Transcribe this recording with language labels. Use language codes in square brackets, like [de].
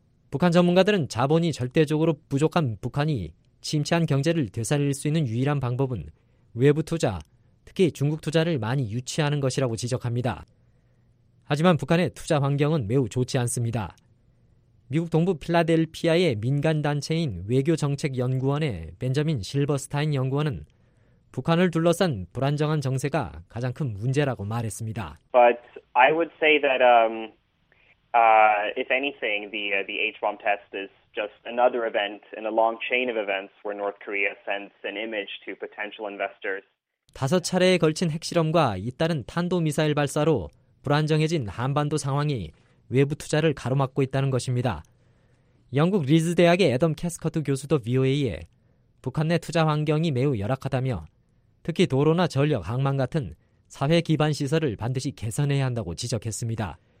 [ko] 북한 전문가들은 자본이 절대적으로 부족한 북한이 침체한 경제를 되살릴 수 있는 유일한 방법은 외부 투자, 특히 중국 투자를 많이 유치하는 것이라고 지적합니다. 하지만 북한의 투자 환경은 매우 좋지 않습니다. 미국 동부 필라델피아의 민간단체인 외교정책연구원의 벤저민 실버스타인 연구원은 북한을 둘러싼 불안정한 정세가 가장 큰 문제라고 말했습니다. [en] But I would say that if anything, the H-bomb test is just another event in a long chain of events where North Korea sends an image to potential investors. [ko] 다섯 차례에 걸친 핵실험과 잇따른 탄도미사일 발사로 불안정해진 한반도 상황이 외부 투자를 가로막고 있다는 것입니다. 영국 리즈 대학의 애덤 캐스커트 교수도 VOA에 북한 내 투자 환경이 매우 열악하다며 특히 도로나 전력, 항만 같은 사회 기반 시설을 반드시 개선해야 한다고 지적했습니다.